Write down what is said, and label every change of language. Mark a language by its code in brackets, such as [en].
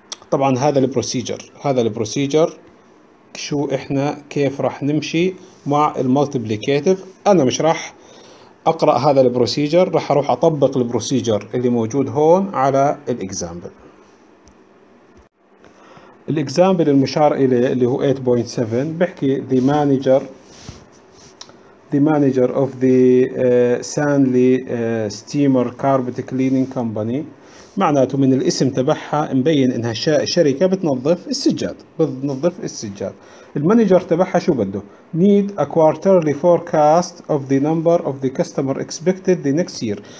[ar] طبعا هذا البروسيجر، هذا البروسيجر شو احنا كيف راح نمشي مع المالتيبليكاتيف. انا مش راح اقرأ هذا البروسيجر، راح اروح اطبق البروسيجر اللي موجود هون على الاكزامبل. الاكزامبل المشار اليه اللي هو 8.7 بحكي [en] The manager of the Stanley Steamer Carpet Cleaning Company [ar] معناته من الاسم تبعها مبين انها شركه بتنظف السجاد، بتنظف السجاد. المانجر تبعها شو بده؟ [en] need a quarterly forecast of the number of the customer expected the next year.